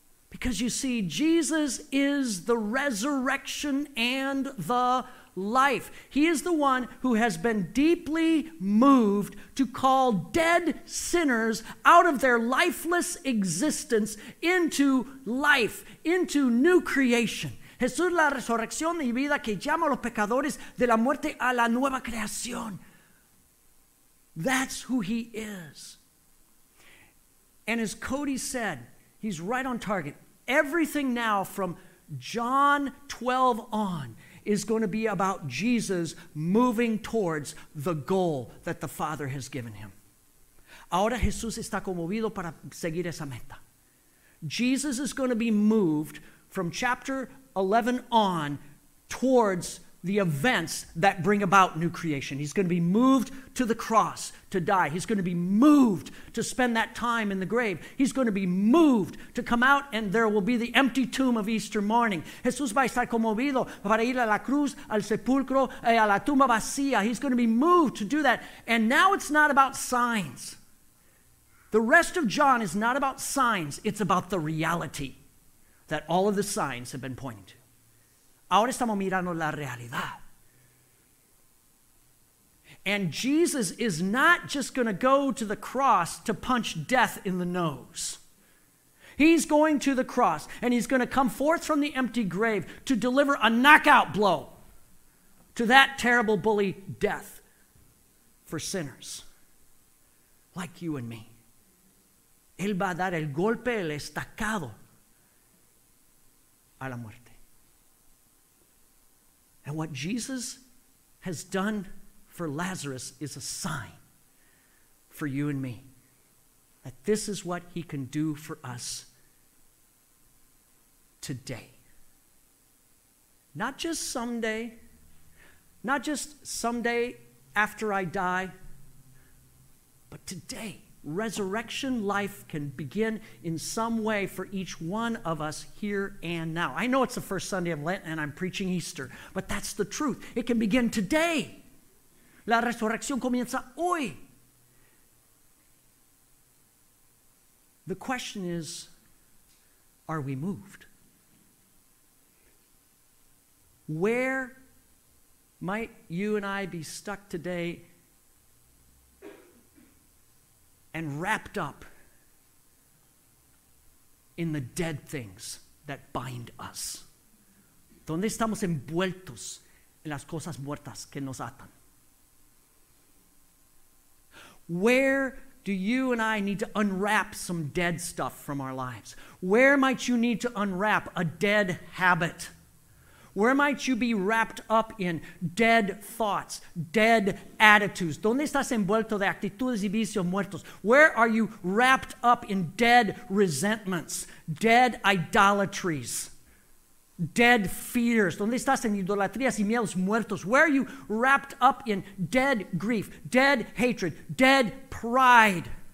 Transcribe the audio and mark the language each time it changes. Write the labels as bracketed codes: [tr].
[en] Because you see, Jesus is the resurrection and the life. He is the one who has been deeply moved to call dead sinners out of their lifeless existence into life, into new creation. [es] Jesús, la resurrección y vida que llama a los pecadores de la muerte a la nueva creación. [en] That's who he is. And as Cody said, he's right on target. Everything now from John 12 on is going to be about Jesus moving towards the goal that the Father has given him. [es] Ahora Jesús está conmovido para seguir esa meta. [en] Jesus is going to be moved from chapter 11 on towards the events that bring about new creation. He's going to be moved to the cross to die. He's going to be moved to spend that time in the grave. He's going to be moved to come out and there will be the empty tomb of Easter morning. [es] Jesús va a estar conmovido para ir a la cruz, al sepulcro, a la tumba vacía. [en] He's going to be moved to do that. And now it's not about signs. The rest of John is not about signs. It's about the reality that all of the signs have been pointing to. [es] Ahora estamos mirando la realidad. [en] And Jesus is not just going to go to the cross to punch death in the nose. He's going to the cross and he's going to come forth from the empty grave to deliver a knockout blow to that terrible bully death for sinners like you and me. [es] Él va a dar el golpe, el estacado a la muerte. [en] And what Jesus has done for Lazarus is a sign for you and me that this is what he can do for us today. Not just someday, not just someday after I die, but today. Resurrection life can begin in some way for each one of us here and now. I know it's the first Sunday of Lent and I'm preaching Easter, but that's the truth. It can begin today. [es] La resurrección comienza hoy. [en] The question is, are we moved? Where might you and I be stuck today? And wrapped up in the dead things that bind us. [es] ¿Dónde estamos envueltos en las cosas muertas que nos atan? [en] Where do you and I need to unwrap some dead stuff from our lives? Where might you need to unwrap a dead habit? Where might you be wrapped up in dead thoughts, dead attitudes? [es] ¿Dónde estás envuelto de actitudes y vicios muertos? [en] Where are you wrapped up in dead resentments, dead idolatries, dead fears? [es] ¿Dónde estás en idolatrías y miedos muertos? [en] Where are you wrapped up in dead grief, dead hatred, dead pride?